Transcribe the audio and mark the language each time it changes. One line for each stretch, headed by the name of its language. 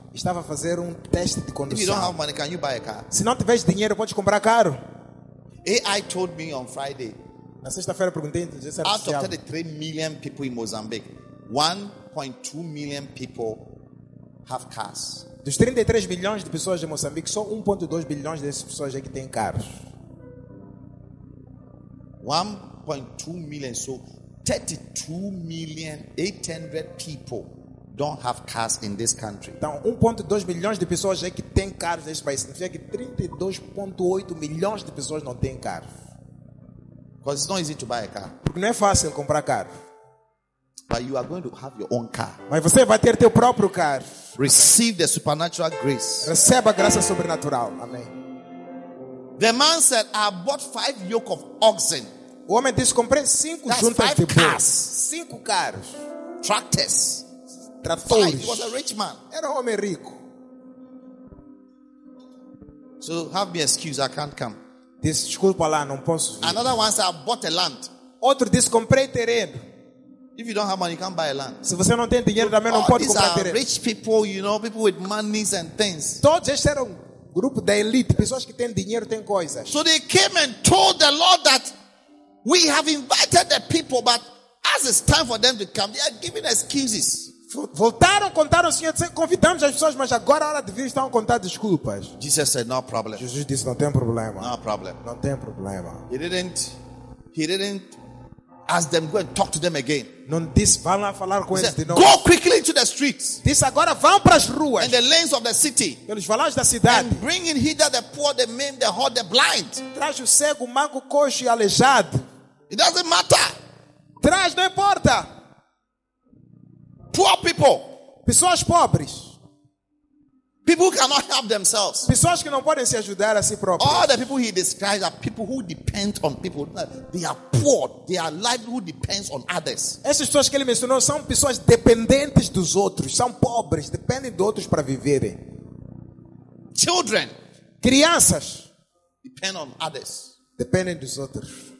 Portuguese: Estava a fazer teste de condução.
English: If you don't have money, can you buy a car?
Portuguese: Se não tiveres dinheiro, podes comprar carro.
English: AI told me on Friday.
Portuguese: Na sexta-feira perguntei inteligência artificial.
English: Out of 33 million people in Mozambique, 1.2 million people have cars.
Portuguese: Dos 33 milhões de pessoas de Moçambique, só 1.2 bilhões dessas pessoas é que têm carros.
English: 1.2 million, so 32,800 people don't have cars in this country.
Portuguese: Então, 1.2 milhões de pessoas é que têm carros neste país. Significa que 32.8 milhões de pessoas não têm carro.
English: Because it's not easy to buy a car.
Portuguese: Porque não é fácil comprar carro.
English: But you are going to have your own car.
Portuguese: Mas você vai ter teu próprio carro.
English: Receive the supernatural grace.
Portuguese: Receba a graça sobrenatural. Amém.
English: The man said, I bought 5 yoke of oxen.
Portuguese: O homem disse, comprei 5 juntas de boi. 5 carros.
English: Tractors.
Portuguese: Tratores.
English: Five. He was a rich man.
Portuguese: Era um homem rico.
English: So have me excuse, I can't come.
Portuguese: Disse, desculpa lá, não posso vir.
English: Another one said, I bought a land.
Portuguese: Outro disse, comprei terreno.
English: If you don't have money, you can't buy a land.
Portuguese: Se você não tem dinheiro, também não pode comprar terreno.
English: These are rich people, you know, people with monies and things.
Portuguese: Todos estes eram grupo da elite, pessoas que têm dinheiro, têm coisas.
English: So they came and told the Lord that we have invited the people, but as it's time for them to come, they are giving excuses.
Portuguese: Voltaram, contaram ao Senhor, convidamos as pessoas, mas agora é hora de vir, estão a contar desculpas.
English: Jesus said, no problem.
Portuguese: Jesus disse, não tem problema.
English: No problem.
Portuguese: Não tem problema.
English: He didn't ask them, go and talk to them again.
Portuguese: Não diz, vão lá falar com eles de novo.
English: Go quickly into the streets.
Portuguese: Diz agora, vão para as ruas.
English: And the lanes of the city.
Portuguese: Pelos valores da cidade.
English: And bring in hither the poor, the maimed, the halt, the blind.
Portuguese: Traz o cego, o manco, coxo e aleijado.
English: It doesn't matter.
Portuguese: Traz, não importa.
English: Poor people.
Portuguese: Pessoas pobres.
English: People cannot help themselves.
Portuguese: Pessoas que não podem se ajudar a si próprias.
English: All the people he describes are people who depend on people. They are poor. Their livelihood depends on others.
Portuguese: Essas pessoas que ele mencionou são pessoas dependentes dos outros. São pobres, dependem de outros para viverem.
English: Children.
Portuguese: Crianças.
English: Depend on others.
Portuguese: Dependem dos outros.